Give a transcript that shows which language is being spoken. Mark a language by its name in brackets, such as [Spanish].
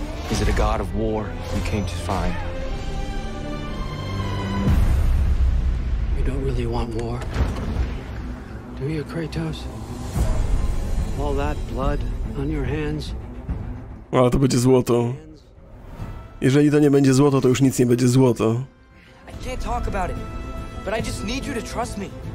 [English] Is it a god of war you came to find? You don't really want war, do you, Kratos? All that blood on your hands. [Polish] A to będzie złoto. Jeżeli to nie będzie złoto, to już nic nie będzie złoto. [English] I can't talk about it, but I just need you to trust me.